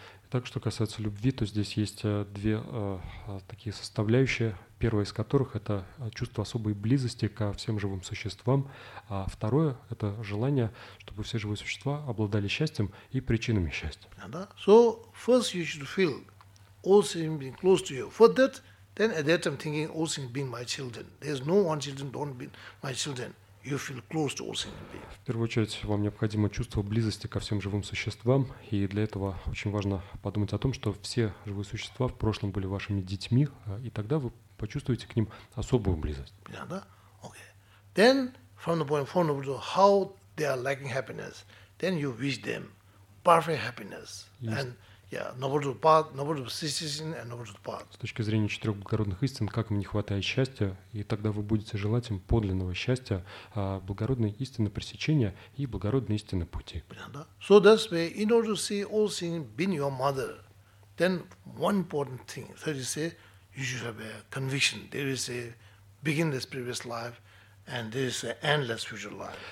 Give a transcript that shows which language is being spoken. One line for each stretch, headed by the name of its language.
Russian: Так что касается любви, то здесь есть две такие составляющие. Первая из которых это чувство особой близости ко всем живым существам, а второе это желание, чтобы все живые существа обладали счастьем и причинами счастья. Да.
English: So first you should feel all sentient being close to you. For that, then at that time thinking all sentient being my children. There's no one children don't be my children. You feel close to all sentient being.
Russian: В первую очередь вам необходимо чувство близости ко всем живым существам, и для этого очень важно подумать о том, что все живые существа в прошлом были вашими детьми, и тогда вы почувствуете к ним особую близость. Понятно, да?
English: Okay. Then from the point of how they are lacking happiness, then you wish them perfect happiness. Yes. And Yeah,
Russian: с точки зрения четырех благородных истин, как им не хватает счастья, и тогда вы будете желать им подлинного счастья, благородной истины пресечения и благородной истины пути.
English: So that's why, in order to see all things being your mother, then one important thing, that is, you should have a conviction. There is a begin this previous life, and there is an endless future life.